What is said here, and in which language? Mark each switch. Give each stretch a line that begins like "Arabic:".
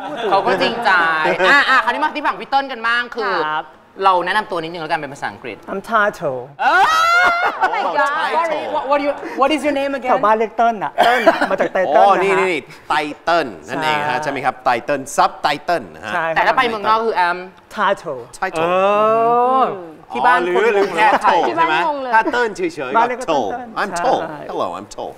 Thai: เขาก็จริงใจคราวนี้มาที่ฝั่งพี่ต้นกันบ้างคือเราแนะนำตัวนิดนึงแล้วกันเป็นภาษาอังกฤษ
English: I'm Tito Oh my god What is your name again
Thai: แถวบ้านเรียกเติ้ลอะเติ้ลมาจากไตเติ้ ล นะฮะอ๋อนี่ไตเติ้ลนั่นเองฮะใช่มั้ยครับไตเติ้ลซับไตเติ้ลนะฮะ แต่ถ้าไปเมืองนอกคือ I'm
English: Tito Tito
Thai: ที่บ้านคุณ หรือแค่โท ใช่มั้ย ถ้าเติ้ลเฉยๆก็โท
English: I'm Tito Hello I'm Tito